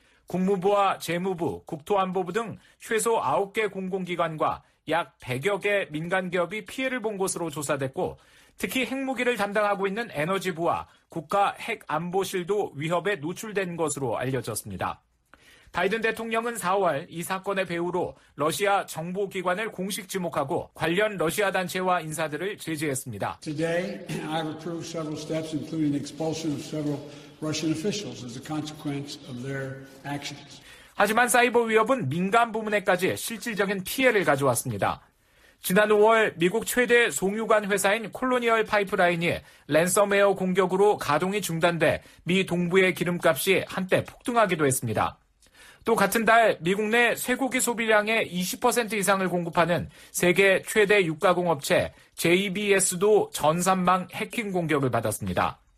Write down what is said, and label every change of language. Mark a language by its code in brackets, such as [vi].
[ko] 국무부와 재무부, 국토안보부 등 최소 9개 공공기관과 약 100여 개 민간기업이 피해를 본 것으로 조사됐고 특히 핵무기를 담당하고 있는 에너지부와 국가 핵안보실도 위협에 노출된 것으로 알려졌습니다. 바이든 대통령은 4월 이 사건의 배후로 러시아 정보기관을 공식 지목하고 관련 러시아 단체와 인사들을 제재했습니다. [en] Today, I have approved several steps, including the expulsion of several Russian officials as a consequence of their actions. [ko] 하지만 사이버 위협은 민간 부문에까지 실질적인 피해를 가져왔습니다. 지난 5월 미국 최대 송유관 회사인 콜로니얼 파이프라인이 랜섬웨어 공격으로 가동이 중단돼 미 동부의 기름값이 한때 폭등하기도 했습니다. 또 같은 달 미국 내 쇠고기 소비량의 20% 이상을 공급하는 세계 최대 육가공업체 JBS도 전산망 해킹 공격을 받았습니다.